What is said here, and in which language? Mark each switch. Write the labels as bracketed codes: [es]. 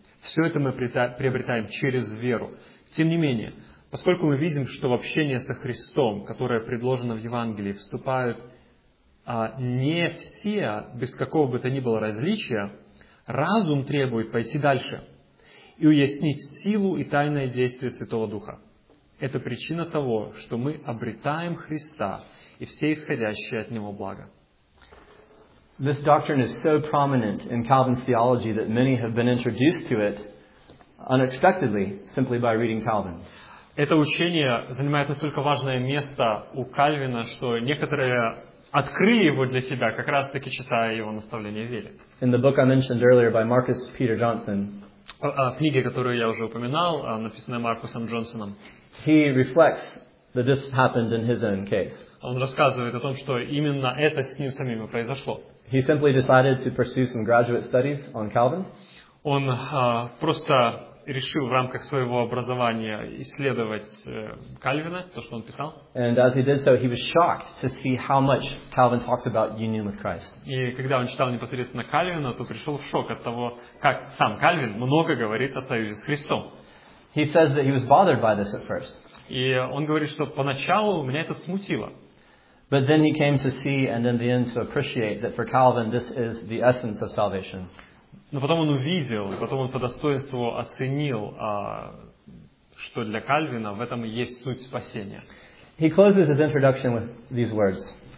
[ru] Все это мы приобретаем через веру. Тем не менее, поскольку мы видим, что в общение со Христом, которое предложено в Евангелии, вступают не все, без какого бы то ни было различия, разум требует пойти дальше и уяснить силу и тайное действие Святого Духа. Это причина того, что мы обретаем Христа и все исходящие от Него блага. [en] This doctrine is so prominent in Calvin's theology that many have been introduced to it unexpectedly, simply by reading Calvin. [ru] Это учение занимает настолько важное место у Кальвина, что некоторые открыли его для себя, как раз-таки читая его наставление в вере. [en] In the book I mentioned earlier by Marcus Peter Johnson, [ru] книге, которую я уже упоминал, написанной Маркусом Джонсоном. [en] He reflects that this happened in his own case. [ru] Он рассказывает о том, что именно это с ним самим и произошло. [en] He simply decided to pursue some graduate studies on Calvin. [ru] Он просто решил в рамках своего образования исследовать Кальвина, то, что он писал. [en] And as he did so, he was shocked to see how much Calvin talks about union with Christ. [ru] И когда он читал непосредственно Кальвина, то пришел в шок от того, как сам Кальвин много говорит о союзе с Христом. [en] He says that he was bothered by this at first. [ru] И он говорит, что поначалу меня это смутило. [en] But then he came to see and in the end to appreciate that for Calvin this is the essence of salvation. [ru] Но потом он увидел, и потом он по достоинству оценил, что для Кальвина в этом и есть суть спасения. [en] He closes his introduction with these words.